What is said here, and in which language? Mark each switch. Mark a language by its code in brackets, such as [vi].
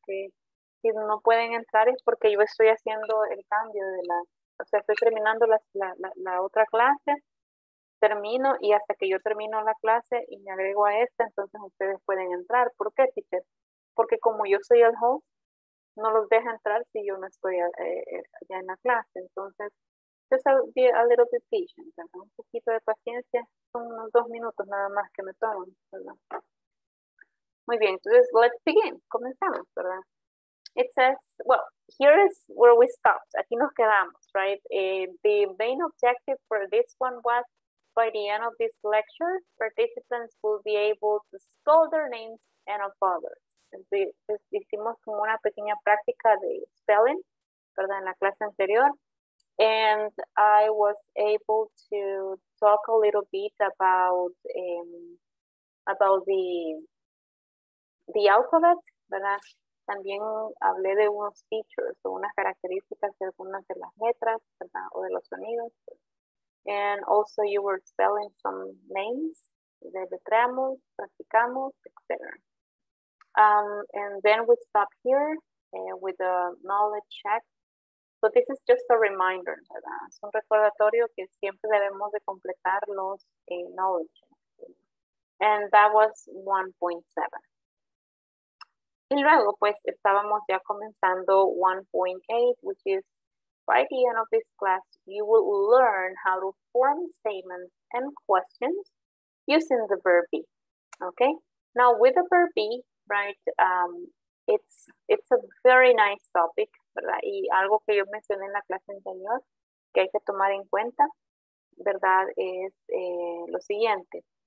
[es] Que si no pueden entrar es porque yo estoy haciendo el cambio de la, o sea, estoy terminando la otra clase, termino y hasta que yo termino la clase y me agrego a esta, entonces ustedes pueden entrar. ¿Por qué, teacher? Porque como yo soy el host, no los deja entrar si yo no estoy ya en la clase. Entonces, [en] just be a little bit patient, [es] ¿verdad? Un poquito de paciencia, son unos 2 minutos nada más que me toman, ¿verdad? Muy bien, entonces, [en] let's begin. [es] Comenzamos, ¿verdad? [en] It says, well, here is where we stopped. [es] Aquí nos quedamos, [en] right? The main objective for this one was, by the end of this lecture, participants will be able to spell their names and of others. [es] Entonces, hicimos como una pequeña práctica de spelling, ¿verdad? En la clase anterior. [en] And I was able to talk a little bit about the alphabet, ¿verdad? [es] También hablé de unos features o unas características de algunas de las letras, ¿verdad? O de los sonidos. [en] And also you were spelling some names, [es] deletreamos, practicamos, etc. [en] And then we stop here with a knowledge check. So this is just a reminder, ¿verdad? [es] Es un recordatorio que siempre debemos de completar los knowledge checks. [en] And that was 1.7. [es] Y luego, pues, estábamos ya comenzando 1.8, [en] which is, by the end of this class, you will learn how to form statements and questions using the verb be, okay? Now, with the verb be, right, it's a very nice topic, ¿verdad? [es] Y algo que yo mencioné en la clase anterior, que hay que tomar en cuenta, ¿verdad? Es lo siguiente.